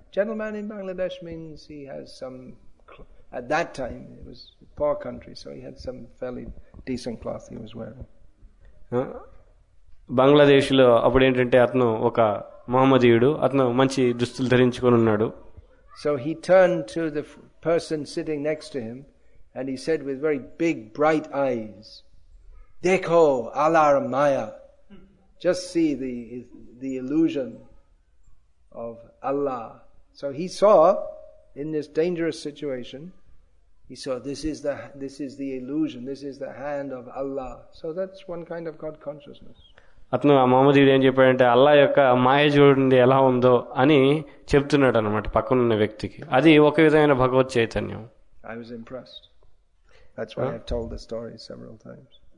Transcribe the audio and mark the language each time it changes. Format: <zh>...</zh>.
<en>Gentleman in Bangladesh means he has some, at that time it was poor country so he has some fairly decent cloth he was wearing.</en> <te>Bangladesh లో అప్పుడు ఏంటంటే అతను ఒక మహమ్మదీయుడు, అతను మంచి దుస్తులు ధరించుకొని ఉన్నాడు.</te> <en>so he turned to the person sitting next to him, and he said with very big, bright eyes,</en> <bn>"Dekho alar maya."</bn> <en>Just see the illusion of Allah. So he saw, in this dangerous situation, he saw this is the illusion, this is the hand of Allah. So that's one kind of God consciousness.</en> <te>అతను ఆ మామూదీడు ఏం చెప్పాడంటే అల్లా యొక్క మాయ చూడండి ఎలా ఉందో అని చెప్తున్నాడు అనమాట పక్కనున్న వ్యక్తికి. అది ఒక విధమైన భగవత్ చైతన్యం.</te> <en>I was impressed. That's why I've told the story several times.</en>